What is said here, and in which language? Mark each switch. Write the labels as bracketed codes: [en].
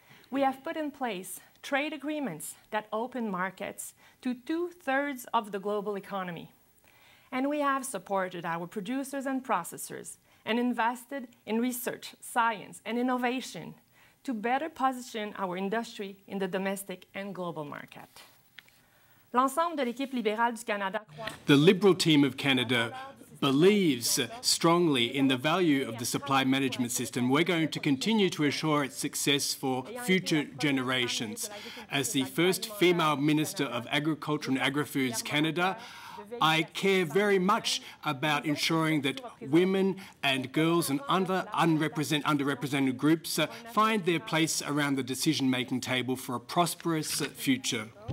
[en] We have put in place trade agreements that open markets to two-thirds of the global economy, and we have supported our producers and processors and invested in research, science, and innovation to better position our industry in the domestic and global market. [fr] L'ensemble de l'équipe libérale du Canada croit. [en] The Liberal team of Canada believes strongly in the value of the supply management system. We're going to continue to assure its success for future generations. As the first female Minister of Agriculture and Agri-Foods Canada, I care very much about ensuring that women and girls and underrepresented groups find their place around the decision-making table for a prosperous future.